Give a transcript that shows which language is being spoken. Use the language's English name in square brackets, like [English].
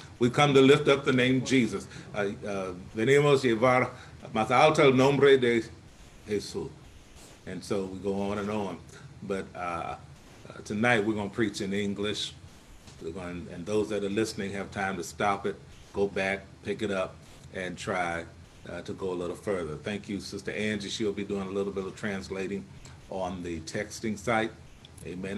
[English] We come to lift up the name Jesus. [Spanish] Venimos llevar más alto el nombre de Jesús. [English] And so we go on and on. But tonight we're going to preach in English. And those that are listening have time to stop it, go back, pick it up, and try to go a little further. Thank you, Sister Angie. She'll be doing a little bit of translating on the texting site. Amen.